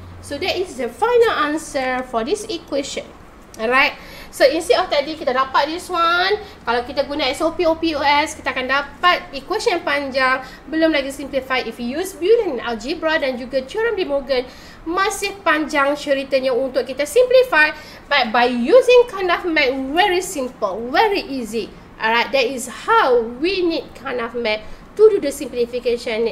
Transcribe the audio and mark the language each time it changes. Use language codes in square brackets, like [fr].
[en] So that is the final answer for this equation. Alright, so instead of [ms] tadi kita dapat [en] this one. [ms] Kalau kita guna SOP, OPOS, kita akan dapat equation yang panjang. Belum lagi [en] simplify if you use Boolean algebra [ms] dan juga [en] theorem de Morgan. [ms] Masih panjang ceritanya untuk kita simplify. [en] But by using Karnaugh math, very simple, very easy. Alright, that is how we need Karnaugh math to do the simplification.